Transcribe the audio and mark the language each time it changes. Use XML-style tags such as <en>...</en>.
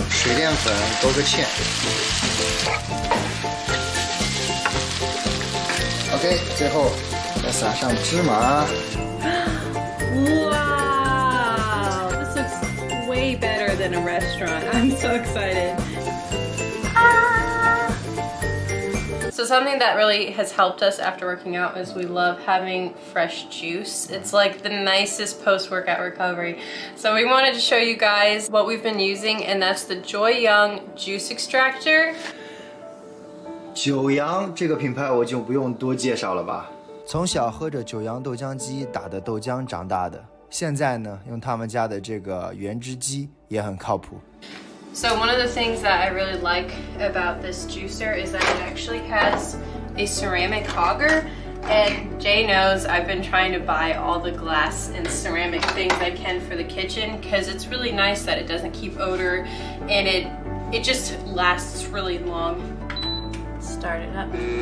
<zh>水淀粉多个芡OK, 最后再撒上芝麻。</zh> <en>哇 This looks way better than a restaurant. I'm so excited.、So something that really has helped us after working out is we love having fresh juice. It's like the nicest post-workout recovery. So we wanted to show you guys what we've been using, and that's the Joyoung juice extractor.</en> <zh>九阳这个品牌我就不用多介绍了吧，从小喝着九阳豆浆机打的豆浆长大的，现在呢用他们家的这个原汁机也很靠谱。</zh> <en>So one of the things that I really like about this juicer is that it actually has a ceramic hogger, and Jay knows I've been trying to buy all the glass and ceramic things I can for the kitchen because it's really nice that it doesn't keep odor and it just lasts really longStart it up.</en>